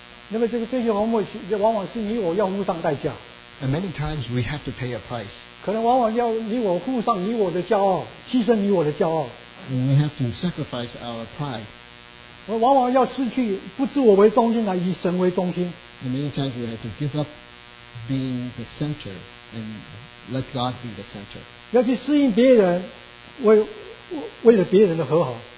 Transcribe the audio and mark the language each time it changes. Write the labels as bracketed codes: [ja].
[zh] 那么这个追求和睦，往往是你我要付上代价。 [en] And many times we have to pay a price. [zh] 可能往往要你我付上你我的骄傲，牺牲你我的骄傲。 [en] And we have to sacrifice our pride. [zh] 我往往要失去不自我为中心，而以神为中心。 [en] And many times we have to give up being the center and let God be the center. [zh] 要去适应别人，为了别人的和好。